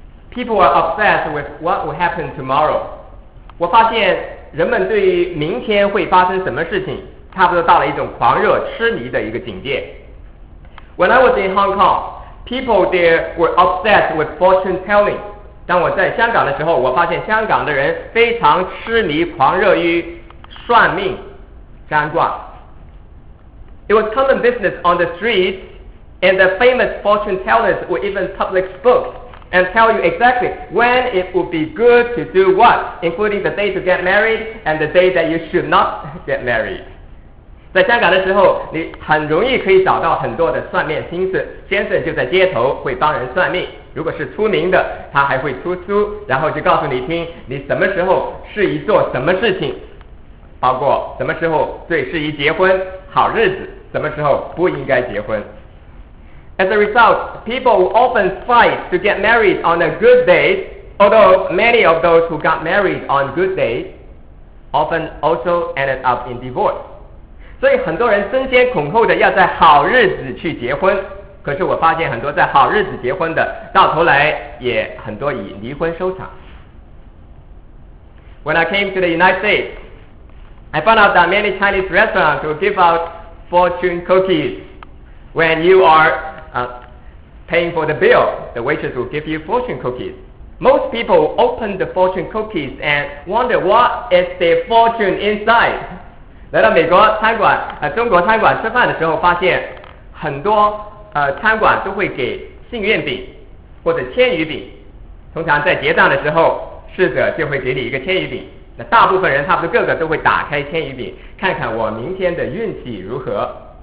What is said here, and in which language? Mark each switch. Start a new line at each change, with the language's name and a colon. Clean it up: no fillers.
English: People are obsessed with what will happen tomorrow.
Chinese: 我发现人们对于明天会发生什么事情，差不多到了一种狂热痴迷的一个境界。
English: When I was in Hong Kong, people there were obsessed with fortune telling.
Chinese: 当我在香港的时候，我发现香港的人非常痴迷狂热于算命占卦。
English: It was common business on the streets, and the famous fortune tellers would even publish books and tell you exactly when it would be good to do what, including the day to get married and the day that you should not get married.
Chinese: 在香港的时候，你很容易可以找到很多的算命先生，先生就在街头会帮人算命。如果是出名的，他还会出书，然后就告诉你听，你什么时候适宜做什么事情，包括什么时候最适宜结婚，好日子什么时候不应该结婚。
English: As a result, people will often fight to get married on a good day, although many of those who got married on good days often also ended up in divorce.
Chinese: 所以很多人争先恐后的要在好日子去结婚，可是我发现很多在好日子结婚的，到头来也很多以离婚收场。
English: When I came to the United States, I found out that many Chinese restaurants will give out fortune cookies when you arePaying for the bill, the waitress will give you fortune cookies. Most people open the fortune cookies and wonder what is their fortune inside.
Chinese: 来到美国餐馆，中国餐馆吃饭的时候，发现很多餐馆都会给幸运饼或者千余饼。通常在结账的时候，侍者就会给你一个千余饼。那大部分人差不多个个都会打开千余饼，看看我明天的运气如何。